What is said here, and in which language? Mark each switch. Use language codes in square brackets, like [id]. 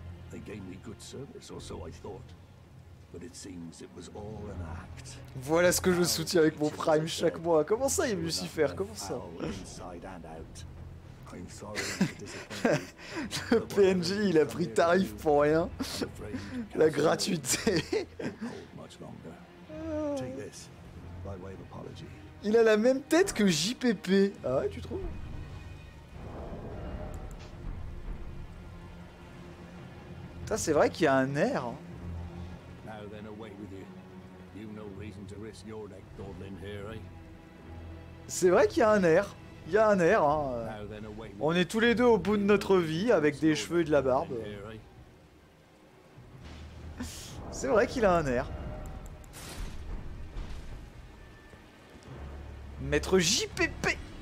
[en] They gave me good service, or so I thought. But it seems it was all an act. [fr] Voilà ce que je soutiens avec mon prime chaque mois. Comment ça, il Lucifer? Comment ça? [en] Inside and out. I'm sorry. [fr] Le PNJ, il a pris tarif pour rien. La gratuité. [en] Take this, by way of apology. [fr] Il a la même tête que JPP. Ah ouais, tu trouves? Ça, c'est vrai qu'il y a un air. [en] Now then, away with you. You've no reason to risk your neck dawdling here, eh? [fr] C'est vrai qu'il y a un air. Il y a un air, hein. [en] Now then, away with you. [fr] On est tous les deux au bout de notre vie avec des cheveux et de la barbe. C'est vrai qu'il a un air. Maître JPP.